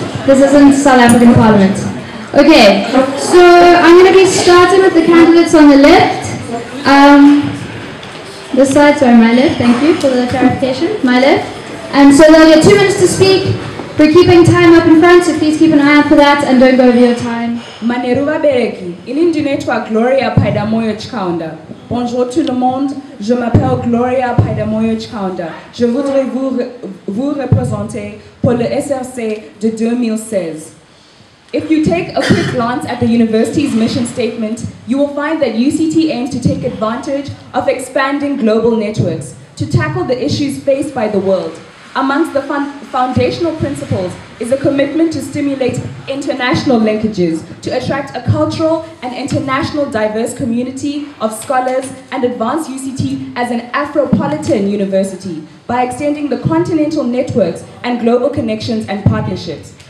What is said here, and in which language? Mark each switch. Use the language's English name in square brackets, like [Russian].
[English] This isn't South African Parliament. Okay. So I'm going to be starting with the candidates on the left. This side, sorry, my left. Thank you for the clarification. My left. And so there'll be 2 minutes to speak. We're keeping time up in front, so please keep an eye out for that and don't go over your time. Maneruva Bereki, ininjinetwa Gloria Paidamoyo Chikaunda. [French] Bonjour tout le monde, je m'appelle Gloria Paidamoyo Chikaunda. Je voudrais vous représenter pour le SRC de 2016. [English] If you take a quick glance at the university's mission statement, you will find that UCT aims to take advantage of expanding global networks to tackle the issues faced by the world. Amongst the foundational principles is a commitment to stimulate international linkages to attract a cultural and international diverse community of scholars and advance UCT as an Afropolitan university by extending the continental networks and global connections and partnerships.